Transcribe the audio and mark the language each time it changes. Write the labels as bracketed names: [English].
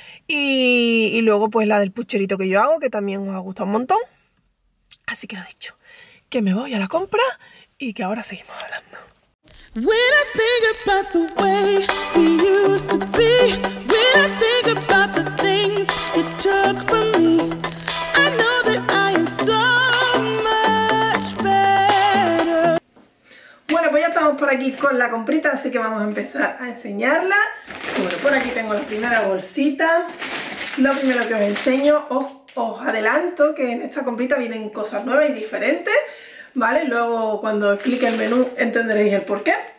[Spanish] Y luego pues la del pucherito que yo hago, que también os ha gustado un montón. Así que lo dicho, que me voy a la compra y que ahora seguimos hablando. [English] When I think about the way we used to be, when I think about the things you took from me, I know that I am so much better. [Spanish] Bueno, pues ya estamos por aquí con la comprita, así que vamos a empezar a enseñarla. Bueno, por aquí tengo la primera bolsita. Lo primero que os enseño, os adelanto que en esta comprita vienen cosas nuevas y diferentes. Vale, luego cuando explique el menú entenderéis el porqué.